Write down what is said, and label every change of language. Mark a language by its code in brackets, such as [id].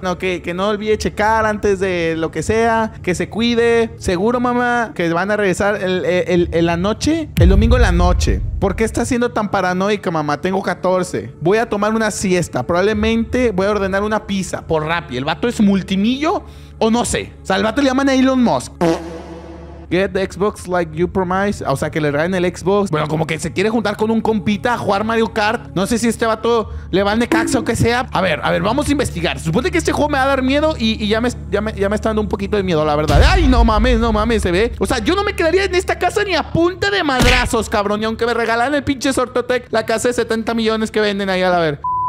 [es] No, que no olvide checar antes de lo que sea. Que se cuide. Seguro, mamá, que van a regresar en la noche. El domingo en la noche. ¿Por qué estás siendo tan paranoica, mamá? Tengo 14. Voy a tomar una siesta. Probablemente voy a ordenar una pizza por Rappi. ¿El vato es multimillo? O no sé. O sea, al vato le llaman a Elon Musk. [en] Get the Xbox like you promised. [es] O sea, que le regalen el Xbox. Bueno, como que se quiere juntar con un compita a jugar Mario Kart. No sé si este vato le va al Necaxa o que sea. A ver, vamos a investigar. Supone que este juego me va a dar miedo y ya me está dando un poquito de miedo, la verdad. Ay, no mames, se ve. O sea, yo no me quedaría en esta casa ni a punta de madrazos, cabrón. Y aunque me regalaran el pinche Sortotec, la casa de 70 millones que venden ahí, a ver.